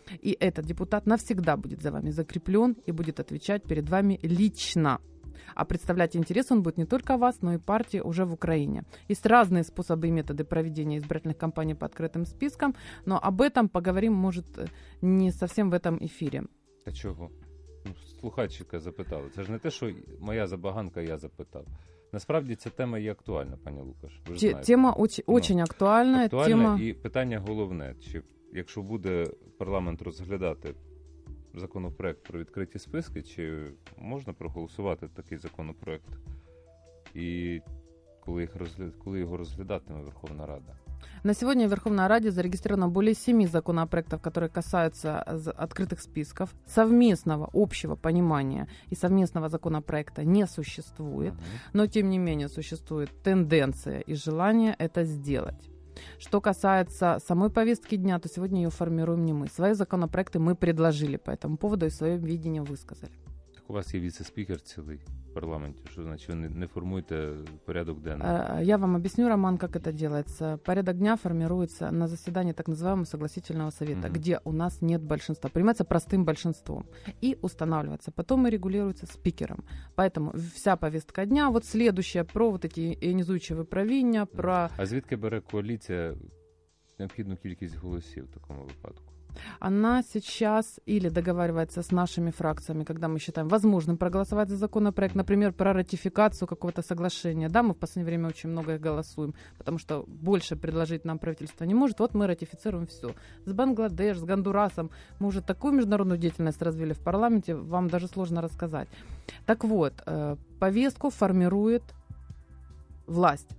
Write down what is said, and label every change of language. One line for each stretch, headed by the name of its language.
Russian: И этот депутат навсегда будет за вами закреплен и будет отвечать перед вами лично. А представлять интерес он будет не только вас, но и партии уже в Украине. Есть разные способы и методы проведения избирательных кампаний по открытым спискам, но об этом поговорим, может, не совсем в этом эфире. А чего?
Ukrainian: Слухачка запитала. Це ж не те, що моя забаганка, я запитав. Насправді ця тема є актуальна, пані Лукаш. Ви ж знаєте.
Russian: Тема очень актуальна. Актуальна тема...
Ukrainian: І питання головне, чи якщо буде парламент розглядати законопроект про відкриті списки, чи можна проголосувати такий законопроект? І коли його розглядатиме Верховна Рада?
Russian: На сегодня в Верховной Раде зарегистрировано более 7 законопроектов, которые касаются открытых списков. Совместного общего понимания и совместного законопроекта не существует, но тем не менее существует тенденция и желание это сделать. Что касается самой повестки дня, то сегодня ее формируем не мы. Свои законопроекты мы предложили по этому поводу и свое видение высказали. Так у вас есть вице-спикер целый в парламенте, что значит, вы не формуете порядок дня? Я вам объясню, Роман, как это делается. Порядок дня формируется на заседании так называемого согласительного совета, где у нас нет большинства, принимается простым большинством и устанавливается. Потом и регулируется спикером. Поэтому вся повестка дня, вот следующая, про вот эти ионизующие выправления, про...
Ukrainian: А звідки бере коаліція необхідну кількість голосів в такому випадку?
Russian: Она сейчас или договаривается с нашими фракциями, когда мы считаем возможным проголосовать за законопроект, например, про ратификацию какого-то соглашения. Да, мы в последнее время очень много их голосуем, потому что больше предложить нам правительство не может. Вот мы ратифицируем все. С Бангладеш, с Гондурасом. Мы уже такую международную деятельность развили в парламенте, вам даже сложно рассказать. Так вот, повестку формирует власть.